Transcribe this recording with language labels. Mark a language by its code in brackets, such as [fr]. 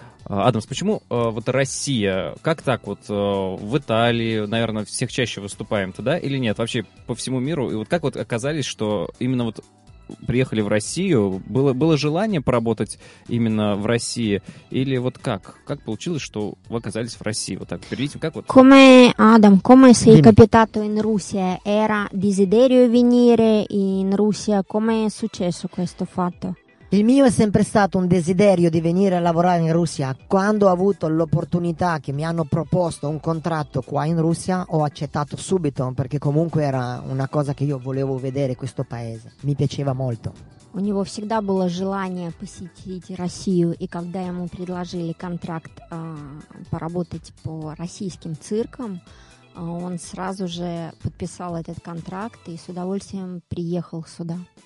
[ru] Адамс, почему вот Россия, как так вот в Италии, наверное, всех чаще выступаем-то, да, или нет, вообще по всему миру, и вот как вот оказались, что именно вот приехали в Россию, было желание поработать именно в России, или вот как получилось, что вы оказались в России, вот так, перейдите, как вот? [it] Come, Адам, come sei capitato in Russia? Era desiderio venire in Russia? Come è successo questo fatto? Il mio è sempre stato un desiderio di venire a lavorare in Russia. Quando ho avuto l'opportunità che mi hanno proposto un contratto qua in Russia, ho accettato subito, perché comunque era una cosa che io volevo vedere questo paese. Mi piaceva molto. [ru] У него всегда было желание посетить Россию, и когда ему предложили контракт поработать по российским циркам, он сразу же подписал этот контракт и с удовольствием приехал сюда.